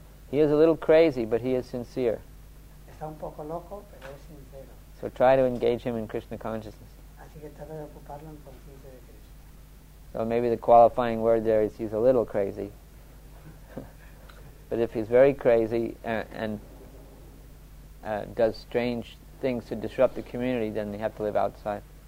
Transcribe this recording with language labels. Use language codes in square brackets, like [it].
[en] He is a little crazy, but he is sincere. [es] Está un poco loco, pero es sincero. [en] So try to engage him in Krishna consciousness. [es] Así que trata de ocuparlo en conciencia de Krishna. [en] So maybe the qualifying word there is he's a little crazy. But if he's very crazy and does strange things to disrupt the community, then they have to live outside.